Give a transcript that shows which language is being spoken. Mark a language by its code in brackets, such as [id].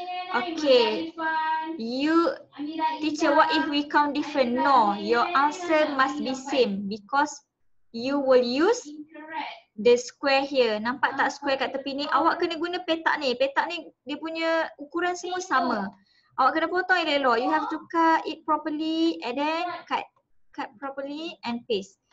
[en] Okay, you, teacher, what if we count different? No, your answer must be same because you will use the square here. [ms] Nampak tak square kat tepi ni? Awak kena guna petak ni. Petak ni dia punya ukuran semua sama. Awak kena potong elok-elok. [en] You have to cut it properly and then cut properly and paste.